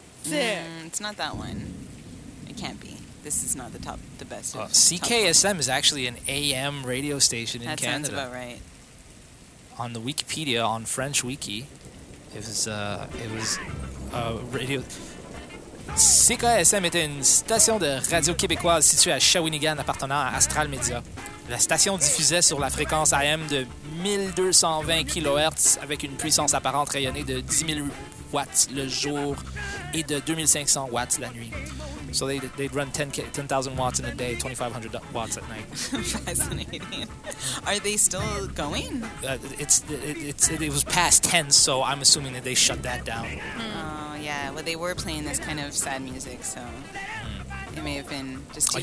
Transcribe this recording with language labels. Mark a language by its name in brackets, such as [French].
[English] It's not that one. It can't be. This is not the best. CKSM is actually an AM radio station in Canada. That sounds about right. On the Wikipedia, on French Wiki, it was a radio... [French] CKSM était une station de radio québécoise située à Shawinigan appartenant à Astral Media. La station diffusait sur la fréquence AM de 1220 kHz avec une puissance apparente rayonnée de 10 000 watts le jour et de 2500 watts la nuit. [English] So they run 10,000 watts in a day, 2,500 watts at night. Fascinating. Are they still going? It was past 10, so I'm assuming that they shut that down. Oh, yeah. Well, they were playing this kind of sad music, so it may have been just too